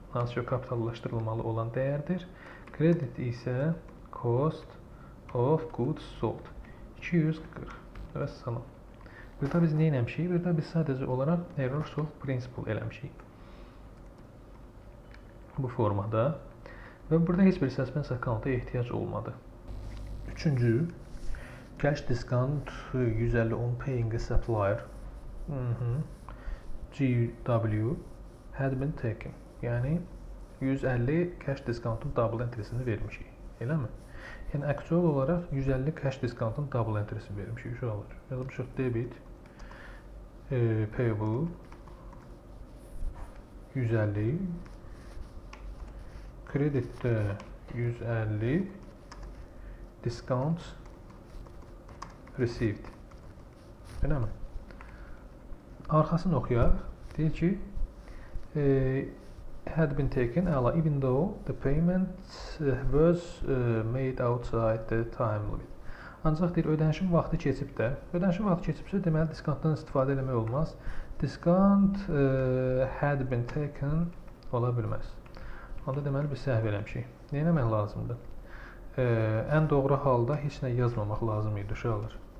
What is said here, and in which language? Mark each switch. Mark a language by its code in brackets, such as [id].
[az] Hansı ki o kapitallaşdırılmalı olan dəyərdir. Kredit isə cost of goods sold. 240. Və salam. Burada biz nə eləmişik? Burada biz sadəcə olaraq error solve principle eləmişik. Bu formada. Və burada heç bir suspense account-a ehtiyac olmadı. Üçüncü. [en] Cash discount 150 paying a supplier. GW had been taken. [az] Yəni 150 cash discount-un double entry-sini vermişik. Elə mi? Yəni actual olaraq 150 cash discount-un double entry-sini vermişik. Uşaqlar. Yəni uşaq debit payable 150 credit 150 discounts received. Elə mi? Arxasını oxuyaq. Deyir ki [en] had been taken even though the payment was made outside the time limit. [az] Ancaq deyir, ödənişin vaxtı keçib də. Ödənişin vaxtı keçibsə, deməli, diskantdan istifadə eləmək olmaz. [en] Discount had been taken [az] ola bilməz. Onda deməli, bir səhv eləmişik. Nə eləmək lazımdır? Ən doğru halda heç nə yazmamaq lazım idi uşaqlar.